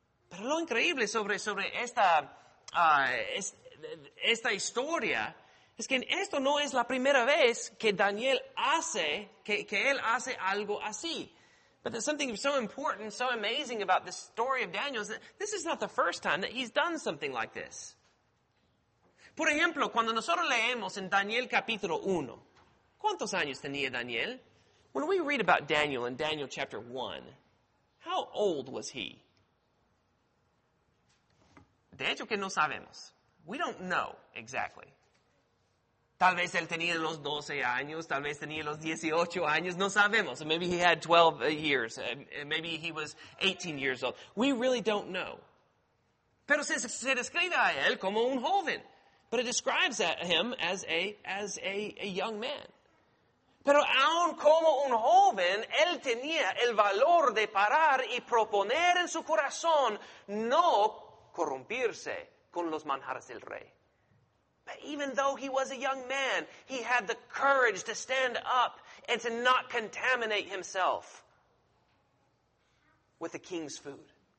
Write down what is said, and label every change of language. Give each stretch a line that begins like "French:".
Spanish: Pero lo increíble sobre esta historia es que esto no es la primera vez que Daniel hace, que él hace algo así.
English: But there's something so important, so amazing about this story of Daniel is that this is not the first time that he's done something like this.
Spanish: Por ejemplo, cuando nosotros leemos en Daniel capítulo 1, ¿cuántos años tenía Daniel?
English: When we read about Daniel in Daniel chapter 1, how old was he?
Spanish: De hecho, que no sabemos.
English: We don't know exactly.
Spanish: Tal vez él tenía los 12 años, tal vez tenía los 18 años, no sabemos.
English: Maybe he had 12 years, maybe he was 18 years old. We really don't know.
Spanish: Pero se describe a él como un joven.
English: But it describes him as a young man.
Spanish: Pero aun como un joven, él tenía el valor de parar y proponer en su corazón no corrompirse con los manjares del rey.
English: But even though he was a young man, he had the courage to stand up and to not contaminate himself with the king's food.